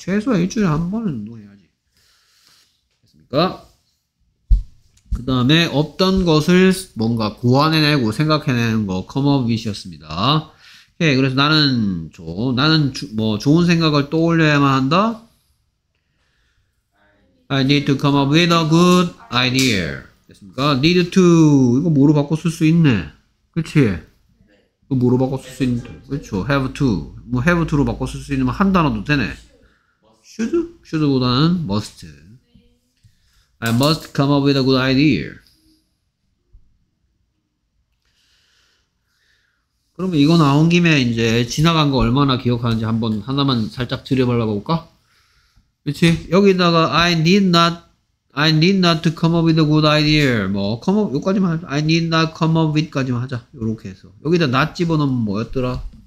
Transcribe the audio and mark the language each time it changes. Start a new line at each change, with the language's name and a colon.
Korean: 최소한 일주일에 한 번은 운동해야지. 됐습니까? 그 다음에 없던 것을 뭔가 고안해내고 생각해내는 거 come up with이었습니다. 오케이. 그래서 나는 좋은 생각을 떠올려야만 한다.
English: I need to come up with a good idea.
Korean: 됐습니까? Need to 이거 뭐로 바꿔 쓸 수 있네. 그렇지? 그 뭐로 바꿔 쓸 수 있는 그렇죠. Have to 뭐 have to로 바꿔 쓸 수 있는 한 단어도 되네. Should should보다는 must.
English: I must come up with a good idea.
Korean: 그러면 이거 나온 김에 이제 지나간 거 얼마나 기억하는지 한번 하나만 살짝 들여보려고 볼까? 그렇지? 여기다가
English: I need not to come up with a good idea.
Korean: 뭐 come up 요까지만 하자.
English: I need not come up with
Korean: 까지만 하자. 요렇게 해서 여기다 not 집어넣으면 뭐였더라?